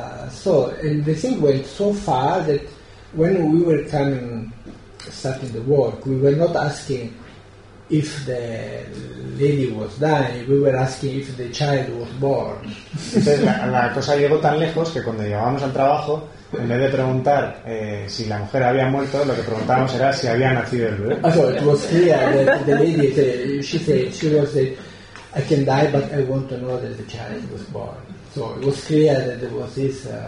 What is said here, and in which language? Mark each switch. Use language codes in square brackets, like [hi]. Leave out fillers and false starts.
[en] So and the thing went so far that when we were starting the work, we were not asking if the lady was dying, we were asking if the child was born. [es] Entonces la cosa llegó tan lejos que cuando llegábamos al trabajo, en vez de preguntar si la mujer había muerto, lo que preguntábamos era si había nacido el bebé. [en] So it was clear that the lady said, I can die, but I want to know that the child was born. So it was clear that there was this